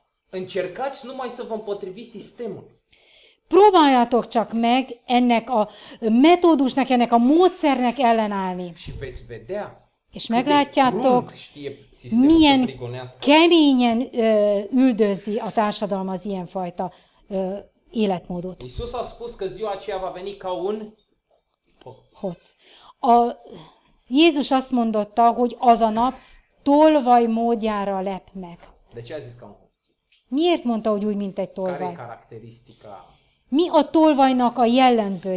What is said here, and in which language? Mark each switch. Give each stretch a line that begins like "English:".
Romanian: Încercați numai să vă împotriviți sistemul.
Hungarian: Próbáljátok csak meg ennek a metódusnak, ennek a módszernek ellenállni.
Romanian: Și veți vedea.
Hungarian: És meglátjátok, milyen keményen üldözi a társadalom az ilyenfajta életmódot.
Romanian: Iisus a spus că ziua aceea va veni ca un hoț.
Hungarian: A Jézus azt mondotta, hogy az a nap tolvaj módjára lep meg.
Romanian: De ce a zis ca un hoț?
Hungarian: Miért mondta, hogy úgy, mint egy tolvaj?
Romanian: Care caracteristica?
Hungarian: Mi a tolvajnak a jellemzője?